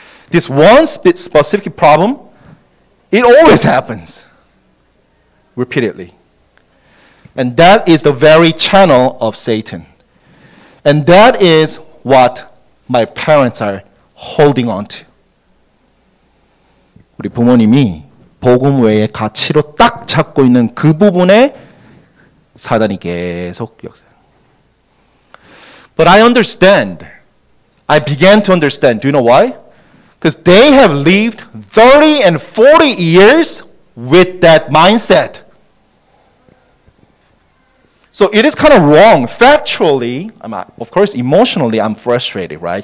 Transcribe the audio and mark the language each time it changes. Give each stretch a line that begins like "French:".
English: This one specific problem, it always happens repeatedly. And that is the very channel of Satan. And that is what my parents are holding on to.
Korean: 우리 부모님이 복음 외의 가치로 딱 잡고 있는 그 부분에 사단이 계속 역사.
English: But I understand. I began to understand. Do you know why? Because they have lived 30 and 40 years with that mindset. So it is kind of wrong. Factually, of course, emotionally, I'm frustrated, right?